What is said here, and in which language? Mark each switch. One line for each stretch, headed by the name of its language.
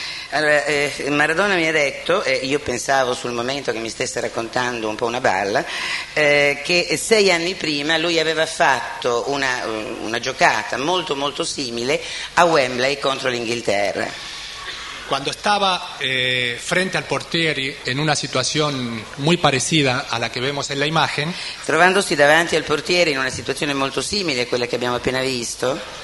Italian: Allora, Maradona mi ha detto, io pensavo sul momento che mi stesse raccontando un po' una balla, che 6 anni prima lui aveva fatto una giocata molto molto simile a Wembley contro l'Inghilterra.
Spanish: Cuando estaba frente al portiere en una situación muy parecida a la que vemos en la imagen,
Italian: trovandosi davanti al portiere in una situazione molto simile a quella che abbiamo appena visto,